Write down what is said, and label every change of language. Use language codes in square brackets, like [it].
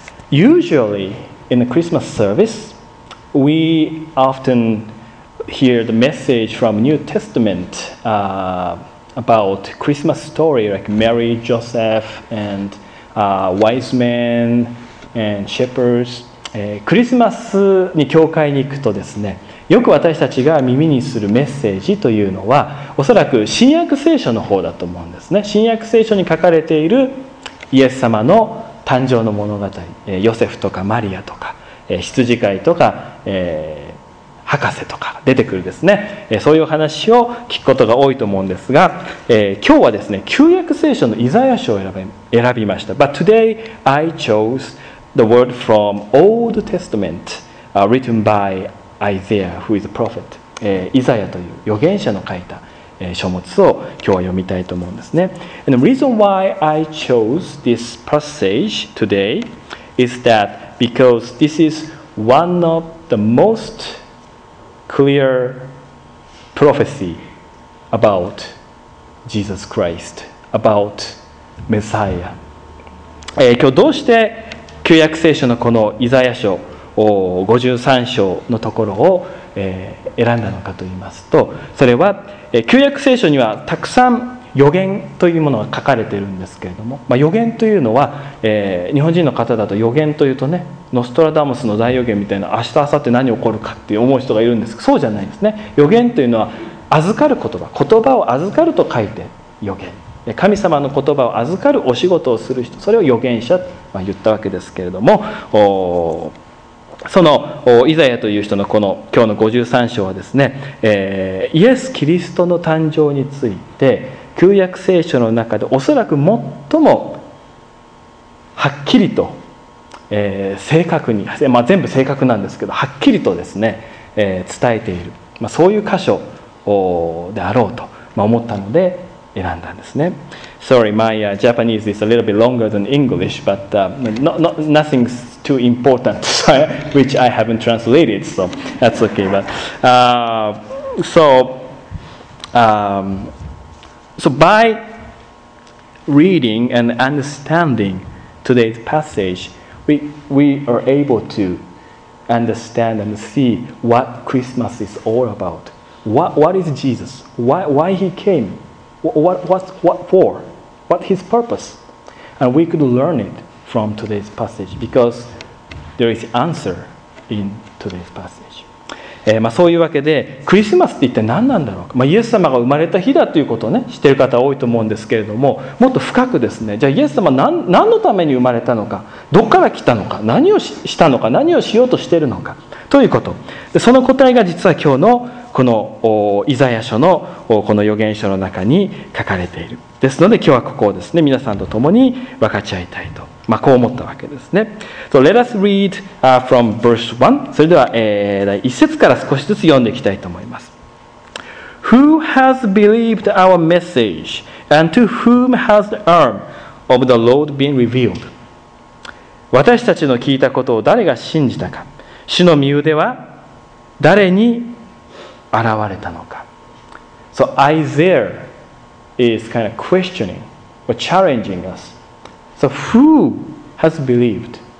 [en] Usually in the Christmas service, we often hear the message from New Testament about Christmas story like Mary, Joseph, and wise men and shepherds. [ja] クリスマスに教会に行くとですね、よく私たちが耳にするメッセージというのは、おそらく新約聖書の方だと思うんですね。新約聖書に書かれているイエス様の誕生の物語、ヨセフとかマリアとか、羊飼いとか、博士とか出てくるですね、そういう話を聞くことが多いと思うんですが、今日はですね、旧約聖書のイザヤ書を選びました。 [en] But today I chose the word from Old Testament written by Isaiah, who is a prophet. [ja] イザヤという預言者の書いた書物を今日は読みたいと思うんですね。 [en] And the reason why I chose this passage today is that because this is one of the mostclear prophecy about Jesus Christ, about Messiah. [ja] 今日どうして旧約聖書のこのイザヤ書53章のところを選んだのかといいますと、それは旧約聖書にはたくさん予言というものが書かれているんですけれども、まあ、予言というのは、日本人の方だと予言というとね、ノストラダムスの大予言みたいな、明日明後日何起こるかって思う人がいるんですけど、そうじゃないんですね。予言というのは預かる言葉、言葉を預かると書いて予言、神様の言葉を預かるお仕事をする人、それを予言者と言ったわけですけれども、そのイザヤという人のこの今日の53章はですね、イエス・キリストの誕生について旧約聖書の中でおそらく最もはっきりと、正確に、まあ、全部正確なんですけど、はっきりとですね、伝えている、まあ、そういう箇所であろうと思ったので選んだんですね。 [en] Sorry, my Japanese is a little bit longer than English, but nothing's too important which I haven't translated, so that's okay. But So by reading and understanding today's passage, we are able to understand and see what Christmas is all about. What is Jesus? Why he came? What for? What his purpose? And we could learn it from today's passage because there is answer in today's passage. [ja] まあ、そういうわけでクリスマスって一体何なんだろうか、まあ、イエス様が生まれた日だということをね、知っている方多いと思うんですけれども、もっと深くですね、じゃあイエス様 何のために生まれたのか、どこから来たのか、何をしたのか、何をしようとしているのかということ、でその答えが実は今日のこのイザヤ書のこの預言書の中に書かれている。ですので今日はここをですね、皆さんと共に分かち合いたいと、まあ、こう思ったわけですね。 [en] So let us read from verse 1. [ja] それでは、第1節から少しずつ読んでいきたいと思います。 [en] Who has believed our message? And to whom has the arm of the Lord been revealed? [ja] 私たちの聞いたことを誰が信じたか、主の御腕は誰に現れたのか。 [en] So Isaiah is kind of questioning or challenging us. So who has believed?